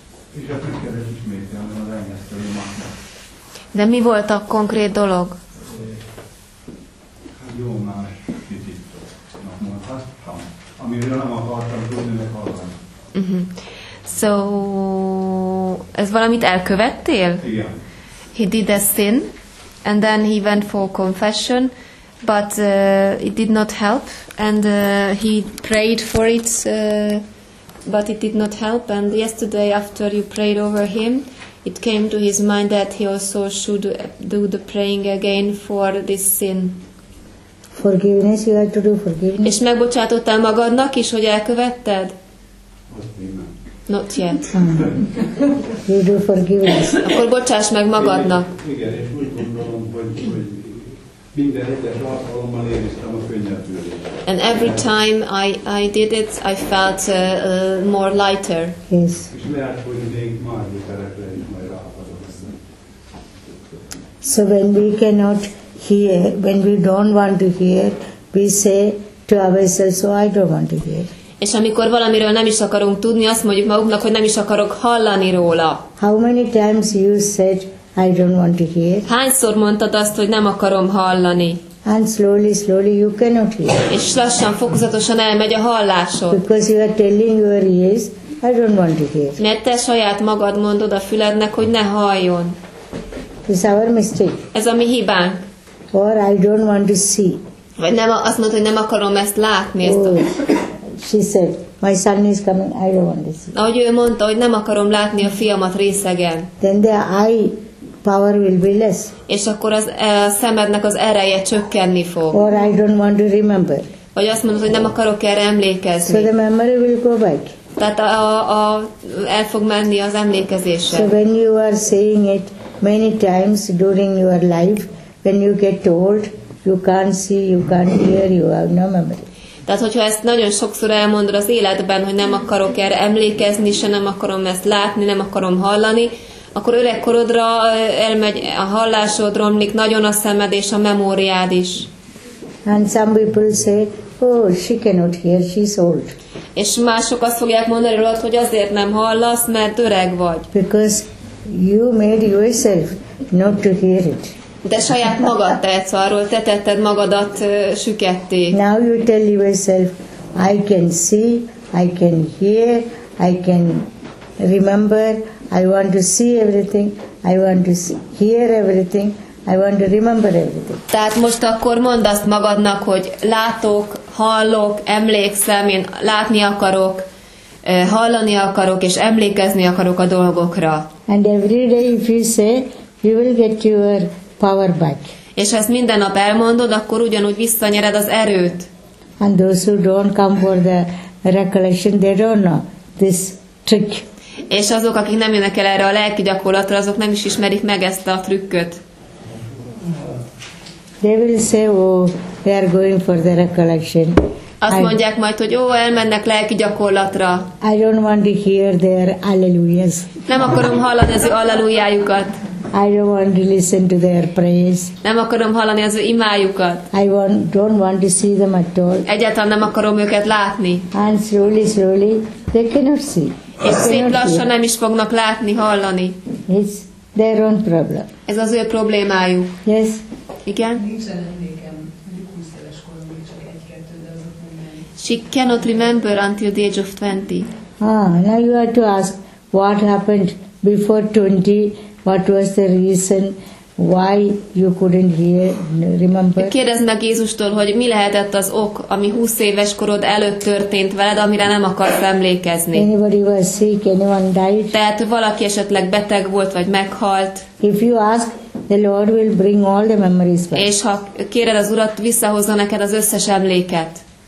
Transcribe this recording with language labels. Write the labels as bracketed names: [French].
[Hungarian] És a kérdés ismétlem az engedtől imát. De mi volt a konkrét dolog? Hát jó más kicsitnak mondhattam, amiről nem akartam tudni, meg hallani. So, ez valamit elkövettél? Igen. [English] He did a sin, and then he went for confession, but it did not help, and he prayed for it, but it did not help, and yesterday after you prayed over him, it came to his mind that he also should do the praying again for this sin. Forgiveness, you have to do forgiveness. [Hungarian] És megbocsátottál magadnak is, hogy elkövetted? [English] Not yet. You do forgiveness. [Hungarian] Akkor bocsáss meg magadnak. Igen, és úgy gondolom, hogy minden egyes alkalommal éreztem a könnyebbülést. [English] And every time I did it, I felt more lighter. Yes. [Hungarian] És lehet, hogy még más ételekre is majd ráhatok. [English] So when we cannot hear, when we don't want to hear, we say to ourselves, so I don't want to hear. [Hungarian] És amikor valamiről nem is akarunk tudni, azt mondjuk magunknak, hogy nem is akarok hallani róla. [English] How many times you said I don't want to hear? [Hungarian] Hányszor mondtad azt, hogy nem akarom hallani? [English] And slowly you cannot hear. [Hungarian] És lassan, fokozatosan elmegy a hallásod. [English] Because you are telling your ears I don't want to hear. [Hungarian] Mert te saját magad mondod a fülednek, hogy ne halljon. [English] It's our mistake. [Hungarian] Ez a mi hibánk. [English] Or I don't want to see. [Hungarian] Vagy nem, azt mondtad, hogy nem akarom ezt látni. [English] She said, my son is coming, I don't want to see. [Hungarian] Ahogy ő mondta, hogy nem akarom látni a fiamat részegen. [English] Then the eye power will be less. [Hungarian] És akkor az szemednek az ereje csökkenni fog. [English] Or I don't want to remember. [Hungarian] Vagy azt mondod, hogy nem akarok erre emlékezni. [English] So the memory will go back. [Hungarian] Tehát el fog menni az emlékezése. [English] So when you are saying it many times during your life, when you get old, you can't see, you can't hear, you have no memory. [Hungarian] Tehát, hogyha ezt nagyon sokszor elmondod az életben, hogy nem akarok erre emlékezni, se nem akarom ezt látni, nem akarom hallani, akkor öregkorodra elmegy a hallásod, romlik nagyon a szemed és a memóriád is. [English] And some people say, oh, she cannot hear, she's old. [Hungarian] És mások azt fogják mondani rólad, hogy azért nem hallasz, mert öreg vagy. [English] Because you made yourself not to hear it. [Hungarian] De saját magad tehetsz arról, te tetted magadat süketté. [English] Now you tell yourself, I can see, I can hear, I can remember, I want to see everything, I want to hear everything, I want to remember everything. [Hungarian] Tehát most akkor mondd azt magadnak, hogy látok, hallok, emlékszem, én látni akarok, hallani akarok és emlékezni akarok a dolgokra. [English] And every day if you say, you will get your power back. [Hungarian] És ezt minden nap elmondod, akkor ugyanúgy visszanyered az erőt. [English] And those who don't come for the recollection, they don't know this trick. [Hungarian] És azok, akik nem jönnek el erre a lelki gyakorlatra, azok nem is ismerik meg ezt a trükköt. [English] They will say, oh, they are going for the recollection. [Hungarian] Azt mondják majd, hogy ó, elmennek lelki gyakorlatra. [English] I don't want to hear their hallelujahs. [Hungarian] Nem akarom hallani az ő hallelujájukat. [English] I don't want to listen to their praise. [Hungarian] Nem akarom hallani az ő imájukat. [English] I don't want to see them at all. [Hungarian] Egyáltalán nem akarom őket látni. [English] And slowly, they cannot see. [Hungarian] És szép lassan nem is fognak látni, hallani. [English] It's their own problem. [Hungarian] Ez az ő problémájuk. [English] Yes. [Hungarian] Igen? [English] She cannot remember until the age of 20. Ah, now you have to ask what happened before 20, what was the reason why you couldn't hear, remember? [Hungarian] Kérdezd meg Jézustól, hogy mi lehetett az ok, ami 20 éves korod előtt történt veled, amire nem akarsz emlékezni. [English] Anybody was sick, anyone died? [Hungarian] Tehát valaki esetleg beteg volt, vagy meghalt. [English] If you ask, the Lord will bring all the memories back. [Hungarian] És ha kéred az Urat, visszahozza neked az összes emléket.